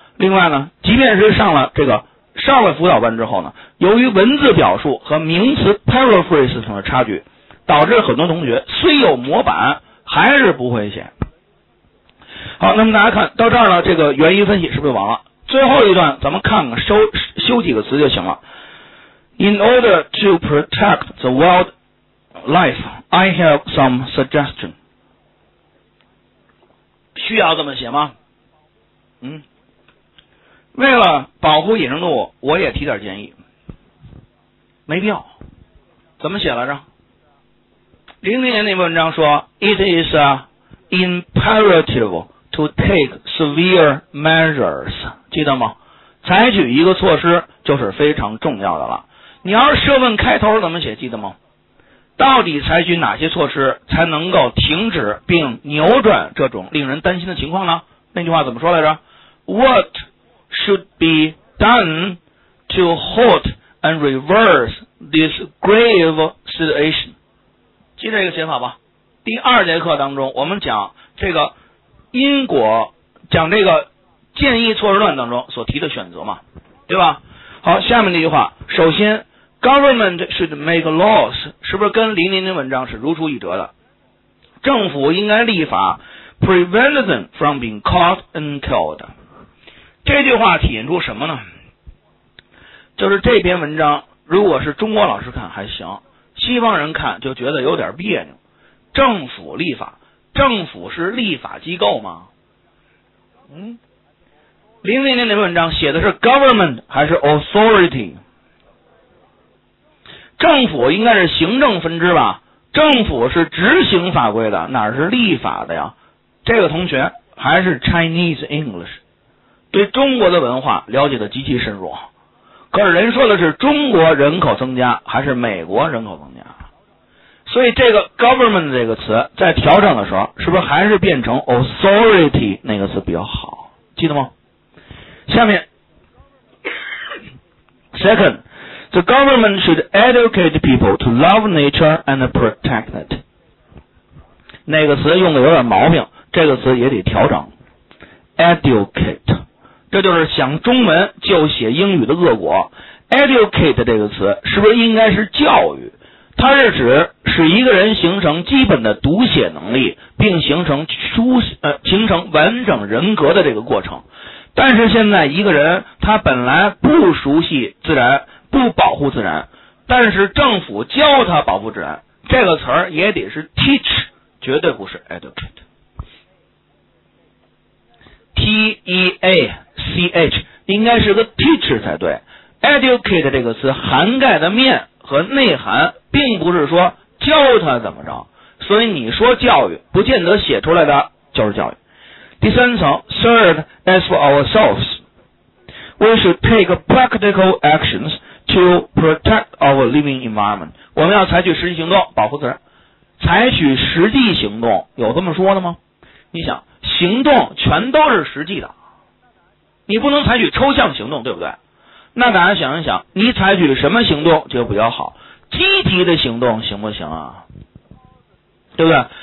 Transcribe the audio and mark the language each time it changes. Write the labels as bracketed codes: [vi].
[zh] 另外呢，即便是上了这个上了辅导班之后呢，由于文字表述和名词 paraphrase 上的差距，导致很多同学虽有模板还是不会写。好，那么大家看到这儿呢，这个原因分析是不是完了？最后一段咱们看看修几个词就行了。 [en] In order to protect the wildlife, I have some suggestion. [zh] 需要这么写吗？为了保护野生动物，我也提点建议。没必要。怎么写来着？ 00年那篇文章说 [en] ,It is imperative to take severe measures. [zh] 记得吗？采取一个措施就是非常重要的了。你要是设问开头怎么写记得吗？到底采取哪些措施才能够停止并扭转这种令人担心的情况呢？那句话怎么说来着？ [en] What should be done to halt and reverse this grave situation? [zh] 记得一个写法吧。第二节课当中我们讲这个因果，讲这个建议措施论当中所提的选择嘛，对吧？好，下面那句话，首先 [en] Government should make laws, [zh] 是不是跟林林的文章是如出一辙的？政府应该立法 [en] prevent them from being caught and killed. [zh] 这句话体现出什么呢？就是这篇文章如果是中国老师看还行，西方人看就觉得有点别扭。政府立法，政府是立法机构吗？林林的文章写的是 government 还是 authority? 政府应该是行政分支吧，政府是执行法规的，哪是立法的呀？这个同学还是 [en] Chinese English, [zh] 对中国的文化了解的极其深入，可是人说的是中国人口增加还是美国人口增加，所以这个 government 这个词在调整的时候是不是还是变成 authority 那个词比较好，记得吗？下面 [en] secondThe government should educate people to love nature and protect it. [zh] 那个词用的有点毛病，这个词也得调整。Educate, 这就是想中文就写英语的恶果。 Educate 这个词是不是应该是教育？它是指使一个人形成基本的读写能力，并形成完整人格的这个过程。但是现在一个人他本来不熟悉自然，不保护自然，但是政府教他保护自然，这个词儿也得是 teach, 绝对不是 educate。 T-E-A-C-H, 应该是个 teach 才对。 educate 这个词涵盖的面和内涵并不是说教他怎么着，所以你说教育不见得写出来的就是教育。 [en] 第三层 ,serve as for ourselves, we should take practical actions,to protect our living environment. [zh] 我们要采取实际行动保护自然。采取实际行动有这么说的吗？你想行动全都是实际的。你不能采取抽象行动，对不对？那大家想一想，你采取什么行动就比较好？积极的行动行不行啊？对不对？